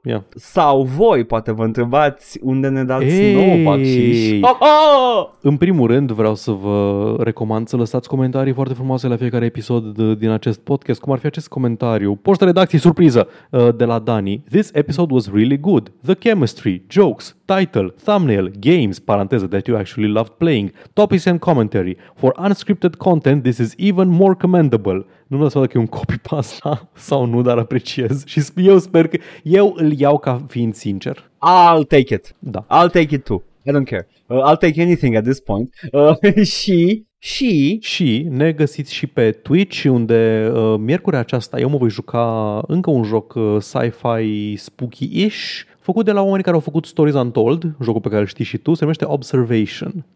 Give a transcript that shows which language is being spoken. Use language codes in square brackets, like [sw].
[en] Yeah. [ro] Sau voi, poate vă întrebați unde ne dați nouă bacșiș. În primul rând vreau să vă recomand să lăsați comentarii foarte frumoase la fiecare episod din acest podcast, cum ar fi acest comentariu. Poștă redacție, surpriză, de la Dani. [en] This episode was really good. The chemistry, jokes, title, thumbnail, games, [ro] paranteză, [en] that you actually loved playing, topics and commentary. For unscripted content, this is even more commendable. [ro] Nu-mi dau seama dacă e un copy-paste sau nu, dar apreciez. Și eu sper că eu îl iau ca fiind sincer. [en] I'll take it. [ro] Da. [en] I'll take it too. I don't care. I'll take anything at this point. [ro] Și ne găsiți și pe Twitch, unde miercurea aceasta eu mă voi juca încă un joc sci-fi spooky-ish, făcut de la oamenii care au făcut Stories Untold, jocul pe care îl știi și tu, se numește Observation.